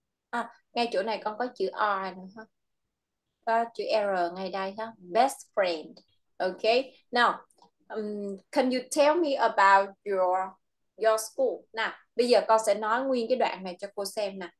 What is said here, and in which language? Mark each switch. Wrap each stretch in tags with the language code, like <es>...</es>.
<vi>À, ngay chỗ này con có chữ R nữa ha. Có chữ R ngay đây ha. Best friend. Okay.</vi> <en>Now, can you tell me about your school?</en> <vi>Nào, bây giờ con sẽ nói nguyên cái đoạn này cho cô xem nè.</vi>